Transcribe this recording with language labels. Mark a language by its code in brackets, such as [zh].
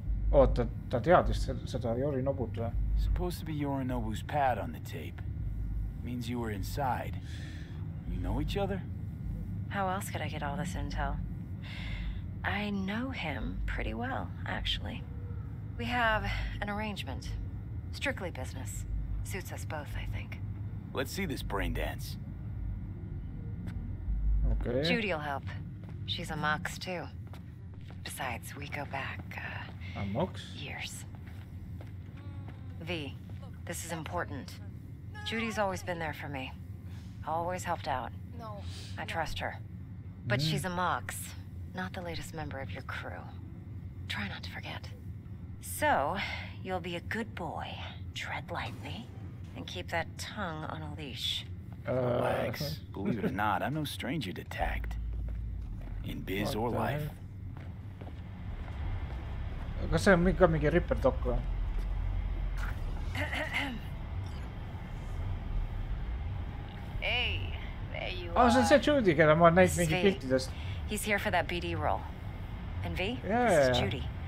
[et] Oota, ta teadis seda Yorinobut või? [en] Supposed to be Yorinobu's pad on the tape. Means you were inside. You know each other? How else could I get all this intel? I know him pretty well, actually. We have an arrangement. Strictly business. Suits us both, I think. Let's see this brain dance. Okay. Judy will help. She's a mox, too. Besides, we go back, A mox? Years. V, this is important. Judy's always been there for me. Always helped out. No. I trust her. But she's a mox, not the latest member of your crew. Try not to forget. So, you'll be a good boy. Tread lightly. And keep that tongue on a leash. Relax. Believe it or not, I'm no stranger to tact. In biz or life. [et] Kas see on ka mingi Ripper Dock või? [en] Hey, there you are. [et] See on see Judy, keda ma olen näinud mingi piltidest. [en] He's here for that BD role. And V, this is Judy.